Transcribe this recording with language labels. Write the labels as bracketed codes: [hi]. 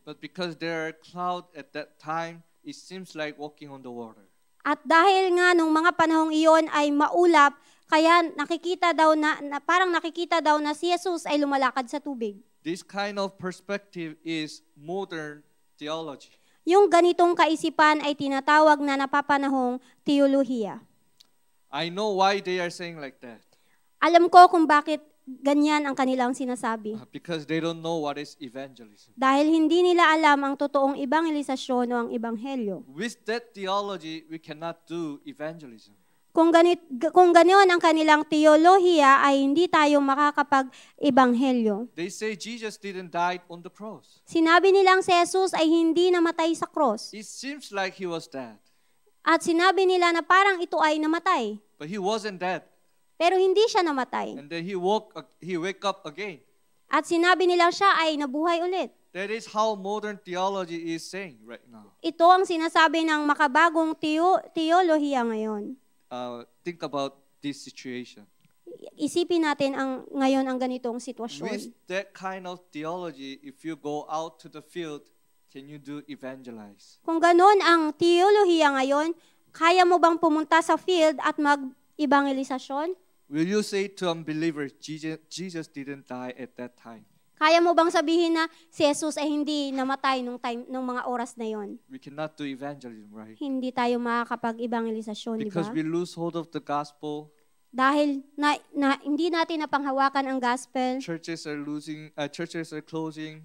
[en] But because there are clouds at that time, it seems like walking on the water. [tl] At dahil nga nung mga panahong iyon ay maulap, kaya nakikita daw na si Jesus ay lumalakad sa tubig. [en] This kind of perspective is modern theology. [tl] Yung ganitong kaisipan ay tinatawag na napapanahong teolohiya. [en] I know why they are saying like that. [tl] Alam ko kung bakit ganyan ang kanilang sinasabi. [en] Because they don't know what is evangelism. [tl] Dahil hindi nila alam ang totoong ebanghelisasyon o ang ebanghelyo. [en] With that theology, we cannot do evangelism. [tl] kung ganoon ang kanilang teolohiya ay hindi tayo makakapag-ebanghelyo. [en] They say Jesus didn't die on the cross. [tl] Sinabi nilang si Jesus ay hindi namatay sa cross. [en] It seems like he was dead. [tl] At sinabi nila na parang ito ay namatay. [en] But he wasn't dead. [tl] Pero hindi siya namatay. [en] And then he woke up again. [tl] At sinabi nila siya ay nabuhay ulit. [en] That is how modern theology is saying right now. [tl] Ito ang sinasabi ng makabagong teolohiya ngayon. [en] Think about this situation. [tl] Isipin natin ang ngayon ang ganitong sitwasyon. [en] With that kind of theology, if you go out to the field, can you do evangelize? [tl] Kung ganun ang teolohiya ngayon, kaya mo bang pumunta sa field at mag-ebangelisasyon? [en] Will you say to unbelievers, Jesus didn't die at that time? [tl] Kaya mo bang sabihin na si Jesus ay hindi namatay nung time nung mga oras na yon? [en] We cannot do evangelism, right? [tl] Hindi tayo makakapag-ebanghelisasyon, di ba? [en] Because we lose hold of the gospel. [tl] Dahil na hindi natin napanghawakan ang gospel. [en] Churches are closing.